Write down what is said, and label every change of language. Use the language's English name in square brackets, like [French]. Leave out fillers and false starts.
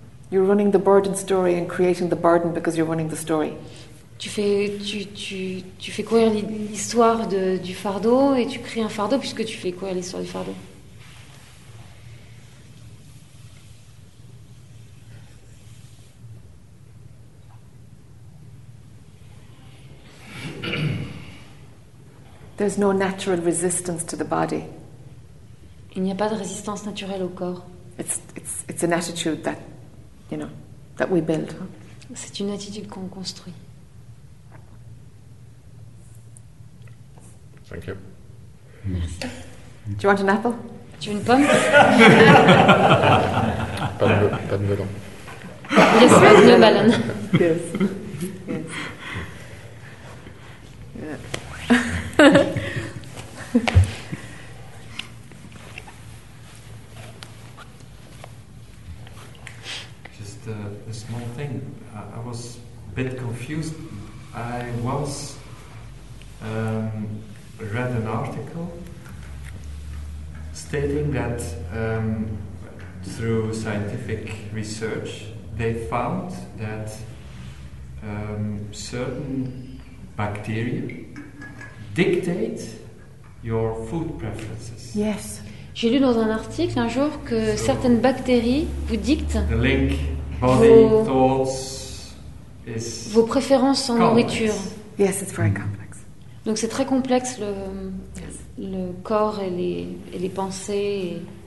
[English] You're running the burden story and creating the burden because you're running the story. [French] Tu fais courir l'histoire du fardeau et tu crées un fardeau puisque tu fais courir l'histoire du fardeau. [English] There's no natural resistance to the body. [French] Il n'y a pas de résistance naturelle au corps. [English] It's an attitude that, you know, that we build. [French] C'est une attitude qu'on construit. [English] Thank you. [French] Merci. [English] Do you want an apple? [French] Tu veux une pomme? pas de melon. Yes, pas de melon. [English] Yes. Yes. Just a small thing. I was a bit confused. I once read an article stating that through scientific research they found that certain bacteria dictate your food preferences. Yes. [French] J'ai lu dans un article un jour que certaines bactéries vous dictent [English] the link body thoughts is [French] vos préférences en nourriture. [English] Yes, it's very complex. [French] Donc c'est très complexe le corps et les pensées.